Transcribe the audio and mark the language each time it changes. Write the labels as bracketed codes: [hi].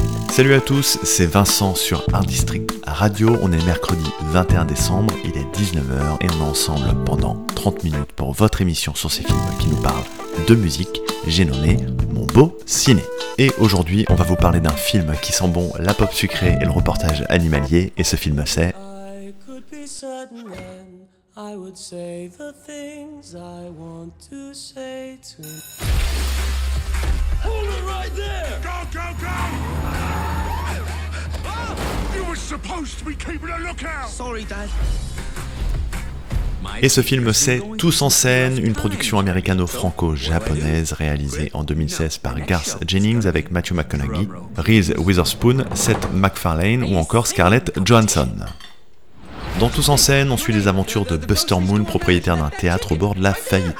[fr] Salut à tous, c'est Vincent sur Indistrict Radio. On est mercredi 21 décembre, il est 19h et on est ensemble pendant 30 minutes pour votre émission sur ces films qui nous parlent de musique. J'ai nommé Mon Beau Ciné. Et aujourd'hui, on va vous parler d'un film qui sent bon la pop sucrée et le reportage animalier. Et ce film, c'est... [en] I could be certain and I would say the things I want to say to... Hold it right there! Go, go, go! You were supposed to be keeping a lookout! Sorry, Dad. [fr] Et ce film, c'est Tous en scène, une production américano-franco-japonaise réalisée en 2016 par Garth Jennings avec Matthew McConaughey, Reese Witherspoon, Seth MacFarlane ou encore Scarlett Johansson. Dans Tous en scène, on suit les aventures de Buster Moon, propriétaire d'un théâtre au bord de la faillite.